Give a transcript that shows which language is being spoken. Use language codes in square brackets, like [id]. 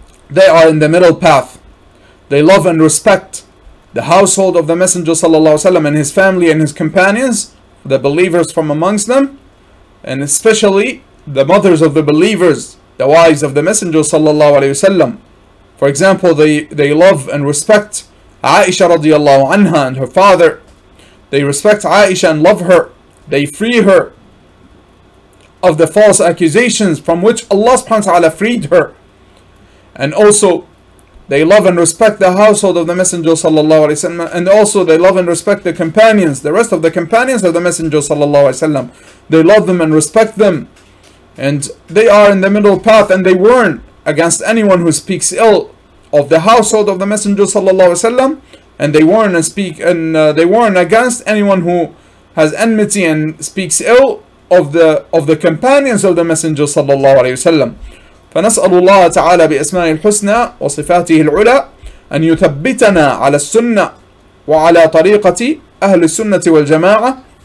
[en] they are in the middle path they love and respect the household of the messenger [ar] صلى الله عليه وسلم [en] and his family and his companions the believers from amongst them and especially the mothers of the believers the wives of the messenger صلى الله عليه وسلم for example they love and respect عائشة [ar] رضي الله عنها [en] and her father they respect عائشة and love her they free her of the false accusations from which Allah subhanahu wa ta'ala freed her. And also, they love and respect the household of the Messenger sallallahu alayhi wa sallam, and also they love and respect the companions, the rest of the companions of the Messenger sallallahu alayhi wa sallam. They love them and respect them. And they are in the middle path and they warn against anyone who speaks ill of the household of the Messenger sallallahu alayhi wa sallam. And they warn and speak, and they warn against anyone who has enmity and speaks ill of the companions of the Messenger [ar] صلى الله عليه وسلم فنسأل الله تعالى بأسماء الحسنى وصفاته العلى أن يثبتنا على السنة وعلى طريقة أهل السنة والجماعة